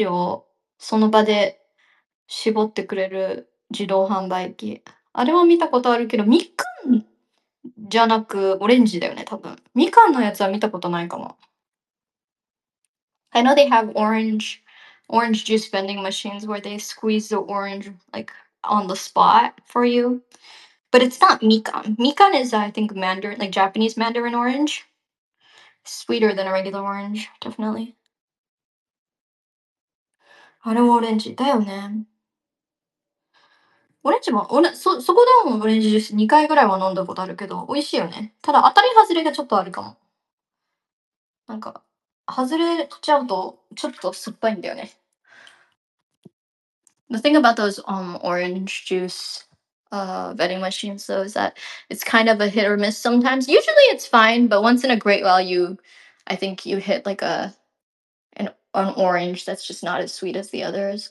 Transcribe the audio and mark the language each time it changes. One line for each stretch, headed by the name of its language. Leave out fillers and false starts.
Japanese: あれってみかんか?なんかあるよね。オレンジをその場で絞ってくれる自動販売機。あれも見たことあるけど、みかんじゃなくオレンジだよね、多分。みかんのやつは見たことないかも。
English: I know they have orange juice vending machines where they squeeze the orange like on the spot for you. But it's not mikan. Mikan is I think mandarin, like Japanese mandarin orange. Sweeter than a regular orange, definitely.
Japanese: あれもオレンジだよね。オレンジも、そこでもオレンジジュース2回ぐらいは飲んだことあるけど、美味しいよね。ただ当たり外れがちょっとあるかも。なんか、外れちゃうと、ちょっと酸っぱいんだよね。
English: The thing about those orange juice vending machines though is that it's kind of a hit or miss sometimes. Usually it's fine, but once in a great while I think you hit like a an orange that's just not as sweet as the others.